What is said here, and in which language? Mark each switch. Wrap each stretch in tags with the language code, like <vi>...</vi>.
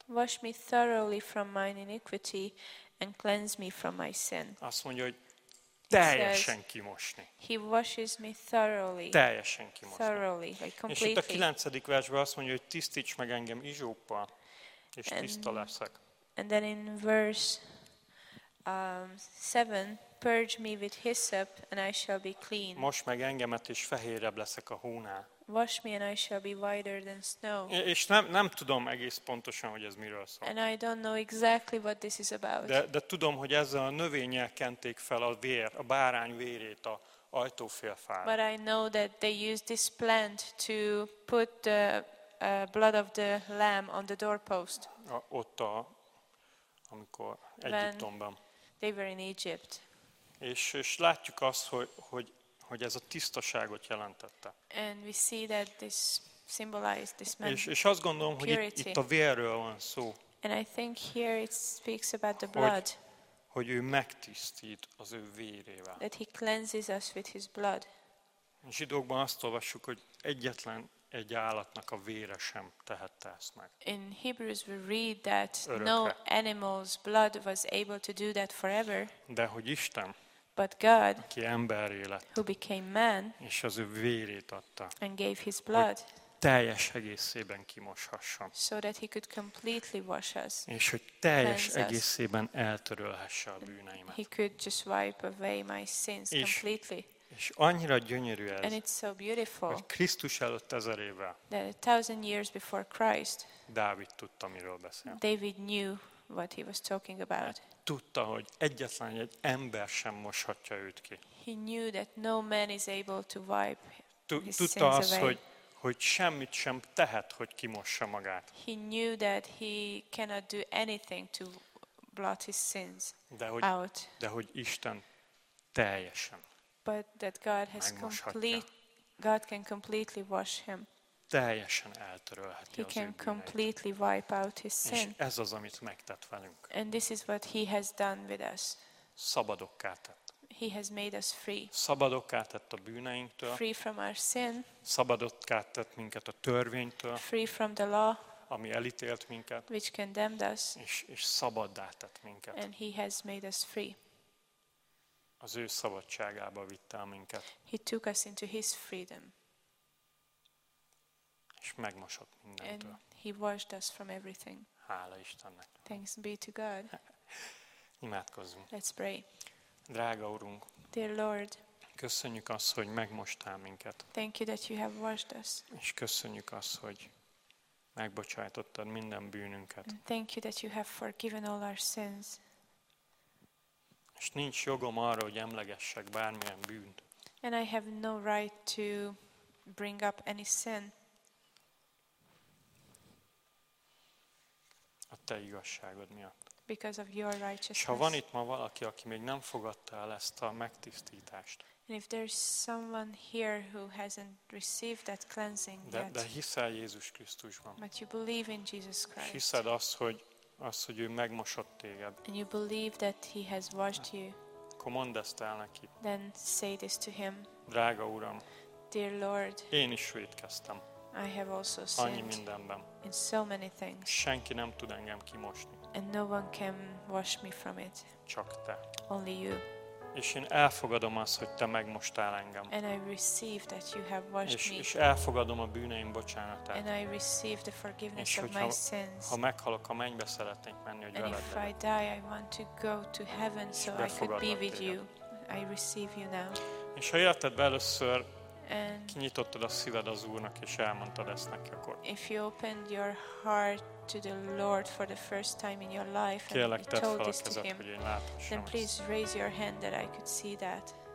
<en>Wash me thoroughly from my iniquity and cleanse me from my sin.</en> <hu>Azt mondja, hogy teljesen kimosni.</hu> <en>He washes me thoroughly.</en> <hu>Teljesen kimosni.</hu> <en>Thoroughly, like completely.</en> <hu>És itt a 9. versben azt mondja, hogy tisztíts meg engem izsóppal, és tiszta leszek.</hu> <en>And then in verse 7, purge me with hyssop and I shall be clean.</en> <hu>Mosd meg engemet és fehérebb leszek a hónál.</hu> <en>Wash me and I shall be whiter than snow.</en> <hu>És nem tudom egész pontosan, hogy ez miről szól.</hu> <en>And I don't know exactly what this is about.</en> <hu>De tudom, hogy ezzel a növénnyel kenték fel a vér, a bárány vérét a ajtófélfára.</hu> <en>But I know that they used this plant to put the blood of the lamb on the doorpost.</en> <hu>Amikor Egyiptomban.</hu> <en>They were in Egypt.</en> <hu>És látjuk azt, hogy ez a tisztaságot jelentette.</hu> <en>And we see that this symbolized this man.</en> <hu>És azt gondolom, hogy itt a vérről van szó.</hu> <en>And I think here it speaks about the blood.</en> <hu>Hogy ő megtisztít az ő vérével.</hu> <en>That he cleanses us with his blood.</en> <hu>A zsidókban azt olvassuk, hogy egyetlen egy állatnak a vére sem tehette ezt meg.</hu> <en>In Hebrews we read that</en> <hu>örökre.</hu> <en>No animal's blood was able to do that forever.</en> <hu>De hogy Isten,</hu> <en>but God,</en> <hu>aki emberré lett,</hu> <en>who became man,</en> <hu>és az ő vérét adta,</hu> <en>and gave his blood,</en> <hu>hogy teljes egészében kimoshasson,</hu> <en>so that he could completely wash us,</en> <hu>és hogy teljes egészében eltörölhesse a bűneimet.</hu> <en>He could just wipe away my sins completely.</en> <hu>És annyira gyönyörű ez,</hu> <en>and it's so beautiful,</en> <hu>hogy Krisztus előtt 1000 évvel,</hu> <en>that 1000 years before Christ,</en> <hu>Dávid tudta, miről beszél.</hu> <en>David knew what he was talking about.</en> <hu>Tudta, hogy egyetlen egy ember sem moshatja őt ki.</hu> <en>He knew that no man is able to wipe his sins away.</en> <hu>Tudta azt, hogy semmit sem tehet, hogy kimossa magát.</hu> <en>He knew that he cannot do anything to blot his sins out.</en> <hu>De hogy Isten teljesen.</hu> <en>But that God has complete, God can completely wash him.</en> <hu>Teljesen eltörölheti</hu> <en>he can completely wipe out his sin.</en> <hu>És ez az, amit megtett velünk.</hu> <en>And this is what he has done with us.</en> <hu>Szabadokká tett.</hu> <en>He has made us free.</en> <hu>Szabadokká tett a bűneinktől.</hu> <en>Free from our sin.</en> <hu>Szabadokká tett minket a törvénytől.</hu> <en>Free from the law.</en> <hu>Ami elítélt minket.</hu> <en>Which condemned us.</en> <hu>És szabaddá tett minket.</hu> <en>And he has made us free.</en> <hu>Az ő szabadságába vitte minket.</hu> <en>He took us into his freedom.</en> <hu>És megmosott mindentől.</hu> <en>And he washed us from everything.</en> <hu>Hála Istennek.</hu> <en>Thanks be to God.</en> <hu>Imádkozzunk.</hu> <en>Let's pray.</en> <hu>Drága Urunk.</hu> <en>Dear Lord.</en> <hu>Köszönjük azt, hogy megmostál minket.</hu> <en>Thank you that you have washed us.</en> <hu>És köszönjük azt, hogy megbocsájtottad minden bűnünket.</hu> <en>And thank you that you have forgiven all our sins.</en> <hu>És nincs jogom arra, hogy emlegessek bármilyen bűnt.</hu> <en>And I have no right to bring up any sin.</en> <hu>A te igazságod miatt.</hu> <en>Because of your righteousness.</en> <hu>És ha van itt ma valaki, aki még nem fogadta el ezt a megtisztítást.</hu> <en>And if there's someone here who hasn't received that cleansing yet.</en> <hu>De hiszel Jézus Krisztusban.</hu> <en>But you believe in Jesus Christ.</en> <hu>Hiszed azt, hogy hogy ő megmosott téged.</hu> <en>And you believe that he has washed you.</en> <hu>Akkor mondd ezt el neki.</hu> <en>Then say this to him.</en> <hu>Drága Uram.</hu> <en>Dear Lord.</en> <hu>Én is vétkeztem.</hu> <en>I have also sinned.</en> <hu>Annyi mindenben.</hu> <en>In so many things.</en> <hu>Senki nem tud engem kimosni.</hu> <en>And no one can wash me from it.</en> <hu>Csak te.</hu> <en>Only you.</en> <hu>És én elfogadom azt, hogy te megmostál engem.</hu> <en>And I receive that you have washed me.</en> <hu>És elfogadom a bűneim bocsánatát.</hu> <en>And I receive the forgiveness of my sins.</en> <hu>Ha meghalok, a mennybe szeretnék menni, hogy veled legyek.</hu> <en>And if I die, I want to go to heaven so I could be with you. I receive you now.</en> <hu>És ha életedbe először kinyitottad a szíved az Úrnak és elmondtad ezt neki, akkor</hu> <en>if you opened your heart to the Lord for the first time in your life and you told this to him, then please raise your hand that I could see that.</en>